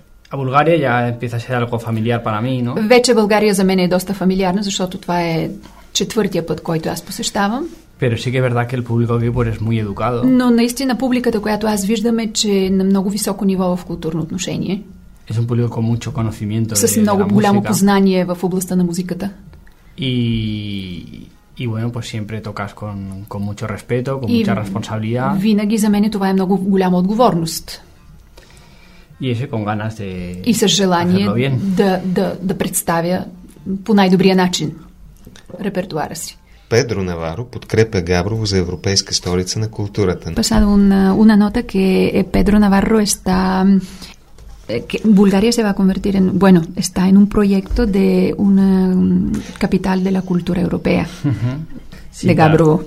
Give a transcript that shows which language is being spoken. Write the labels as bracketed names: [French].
[Spanish] A Bulgaria ya empieza a ser algo familiar para mí, ¿no? [Bulgarian] Вече България за мен е доста фамилиарна, защото това е четвъртия път, който аз посещавам. [Spanish] Pero sí que es verdad que el público aquí pues es muy educado. [Bulgarian] Но наистина публиката, която аз виждам, е, че е на много високо ниво в културно отношение. [Spanish] Es un público con mucho conocimiento de la música. [Bulgarian] С много голямо познание в областта на музиката. [Spanish] Y bueno, pues siempre tocas con mucho respeto, con mucha responsabilidad. [Bulgarian] Винаги за мен това е много голяма отговорност. [Spanish] Y ese con ganas de [Bulgarian] И с желание да представя по най-добрия начин репертуара си. Педро Наварро подкрепя Габрово за европейска столица на културата. [Spanish] Pasado una nota que Pedro Navarro está que Bulgaria se va a convertir en bueno, está en un proyecto de una capital de la cultura europea. Sí, de Габрово.